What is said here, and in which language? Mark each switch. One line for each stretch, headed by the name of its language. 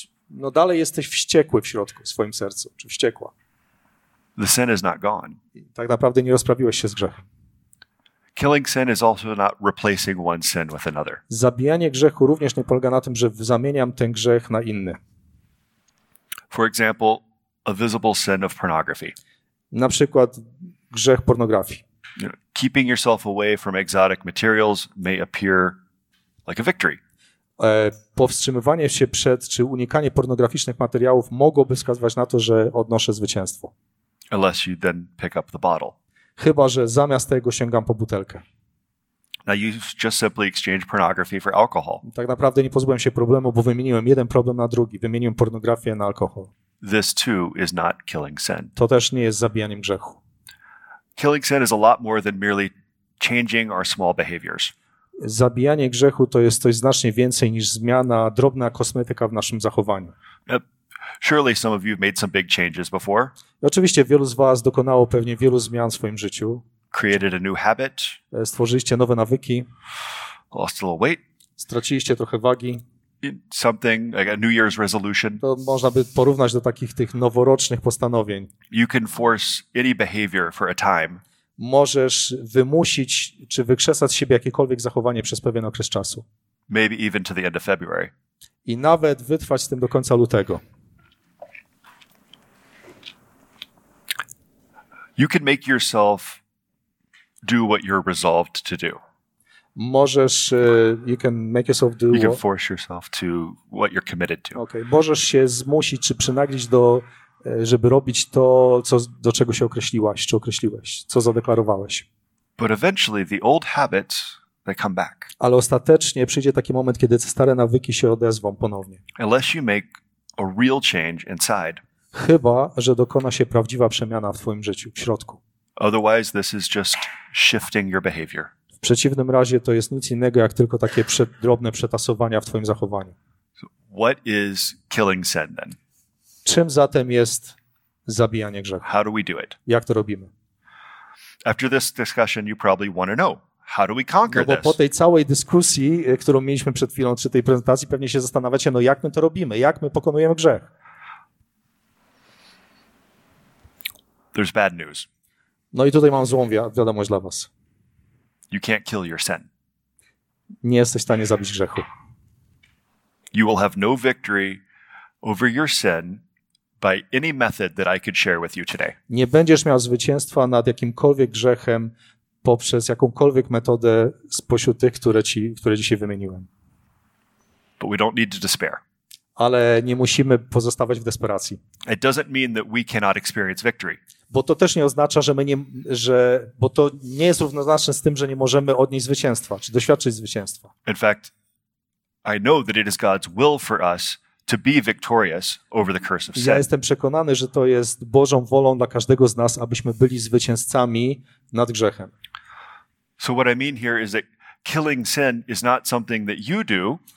Polish: No dalej jesteś wściekły w środku, w swoim sercu, czy wściekła.
English: The sin is not gone.
Polish: Tak naprawdę nie rozprawiłeś się z grzechem.
English: Killing sin is also not replacing one sin with another.
Polish: Zabijanie grzechu również nie polega na tym, że zamieniam ten grzech na inny.
English: For example, a visible sin of pornography.
Polish: Na przykład grzech pornografii.
English: Keeping yourself away from exotic materials may appear like a victory.
Polish: Powstrzymywanie się przed czy unikanie pornograficznych materiałów mogłoby wskazywać na to, że odnoszę zwycięstwo.
English: Unless you then pick up the bottle.
Polish: Chyba że zamiast tego sięgam po butelkę.
English: Now you just simply exchange pornography for alcohol.
Polish: Tak naprawdę nie pozbyłem się problemu, bo wymieniłem jeden problem na drugi. Wymieniłem pornografię na alkohol.
English: This too is not killing sin.
Polish: To też nie jest zabijaniem grzechu.
English: Killing sin is a lot more than merely changing our small behaviors.
Polish: Zabijanie grzechu to jest coś znacznie więcej niż zmiana, drobna kosmetyka w naszym zachowaniu.
English: Surely some of you made some big changes before.
Polish: Oczywiście wielu z was dokonało pewnie wielu zmian w swoim życiu.
English: Created a new habit.
Polish: Stworzyliście nowe nawyki.
English: Lost a little weight.
Polish: Straciliście trochę wagi.
English: Something like a New Year's resolution.
Polish: To można by porównać do takich tych noworocznych postanowień.
English: You can force any behavior for a time.
Polish: Możesz wymusić czy wykrzesać z siebie jakiekolwiek zachowanie przez pewien okres czasu.
English: Maybe even to the end of February.
Polish: I nawet wytrwać z tym do końca lutego.
English: You can make yourself do what you're resolved to do.
Polish: Możesz
English: you can make yourself do you can force yourself to what you're committed to.
Polish: Okay, możesz się zmusić czy przynaglić do żeby robić to, co, do czego się określiłaś, czy określiłeś, co zadeklarowałeś.
English: But eventually the old habits, they come back.
Polish: Ale ostatecznie przyjdzie taki moment, kiedy stare nawyki się odezwą ponownie.
English: Unless you make a real change inside.
Polish: Chyba że dokona się prawdziwa przemiana w twoim życiu, w środku.
English: Otherwise this is just shifting your behavior.
Polish: W przeciwnym razie to jest nic innego, jak tylko takie drobne przetasowania w twoim zachowaniu.
English: So what is killing sin then?
Polish: Czym zatem jest zabijanie grzechu?
English: How do we do it?
Polish: Jak to robimy?
English: After this discussion, you probably want to know how do we conquer this?
Polish: No bo po tej całej dyskusji, którą mieliśmy przed chwilą przy tej prezentacji, pewnie się zastanawiacie, no jak my to robimy? Jak my pokonujemy grzech?
English: There's bad news.
Polish: No i tutaj mam złą wiadomość dla was.
English: You can't kill your sin.
Polish: Nie jesteś w stanie zabić grzechu.
English: You will have no victory over your sin by any method that I could share with you today.
Polish: Nie będziesz miał zwycięstwa nad jakimkolwiek grzechem poprzez jakąkolwiek metodę spośród tych, które dzisiaj wymieniłem.
English: But we don't need to despair.
Polish: Ale nie musimy pozostawać w desperacji.
English: It doesn't mean that we cannot experience victory.
Polish: Bo to też nie oznacza, że my nie, że, bo to nie jest równoznaczne z tym, że nie możemy odnieść zwycięstwa, czy doświadczyć zwycięstwa.
English: In fact, I know that it is God's will for us to be victorious over the curse of sin.
Polish: Ja jestem przekonany, że to jest Bożą wolą dla każdego z nas, abyśmy byli zwycięzcami nad grzechem.
English: So what I mean here is that killing sin is not something that you do.